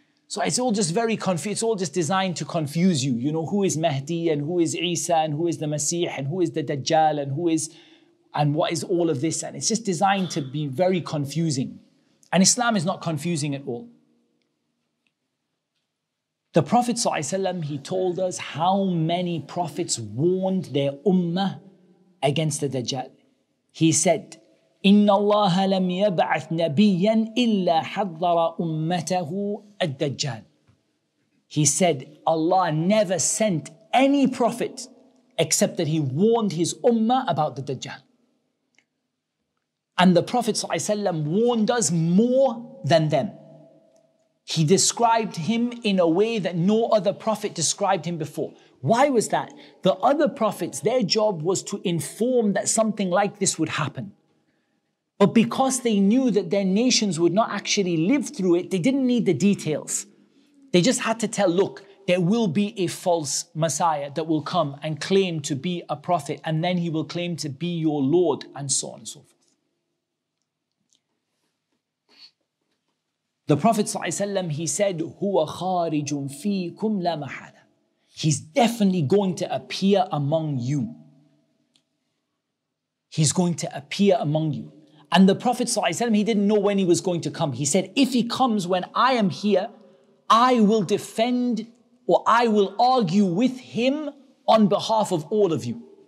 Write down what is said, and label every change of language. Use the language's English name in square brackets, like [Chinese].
[English] So it's all just very confused. It's all just designed to confuse you. You know, who is Mahdi and who is Isa and who is the Masih and who is the Dajjal and who is, and what is all of this? And it's just designed to be very confusing. And Islam is not confusing at all. The Prophet ﷺ, he told us how many prophets warned their ummah against the Dajjal. He said, [Arabic] إِنَّ اللَّهَ لَمْ يَبْعَثْ نَبِيًّا إِلَّا حَضَّرَ أُمَّتَهُ الدَّجَّالِ. [English] He said, Allah never sent any prophet except that he warned his ummah about the Dajjal. And the Prophet ﷺ warned us more than them. He described him in a way that no other prophet described him before. Why was that? The other prophets, their job was to inform that something like this would happen. But because they knew that their nations would not actually live through it, they didn't need the details. They just had to tell, look, there will be a false Messiah that will come and claim to be a prophet, and then he will claim to be your Lord, and so on and so forth. The Prophet ﷺ, he said, [Arabic] هُوَ خَارِجٌ فِيكُمْ لَا مَحَالًا. [English] He's definitely going to appear among you. He's going to appear among you. And the Prophet ﷺ, he didn't know when he was going to come. He said, if he comes when I am here, I will defend, or I will argue with him on behalf of all of you.